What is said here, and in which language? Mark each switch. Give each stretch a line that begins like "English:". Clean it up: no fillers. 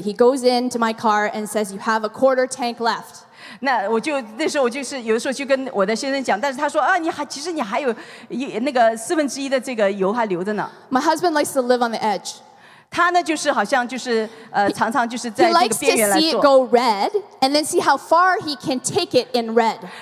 English: He goes into my car and says, "You have a quarter tank left."
Chinese: 那我就那时候我就是有的时候就跟我的先生讲，但是他说啊，你还其实你还有那个四分之一的这个油还留着呢。
English: My husband likes to live on the edge.
Chinese: 他呢就是好像就是常常就是在这个边缘来做。
English: He likes to see it go red and then see how far he can take it in red.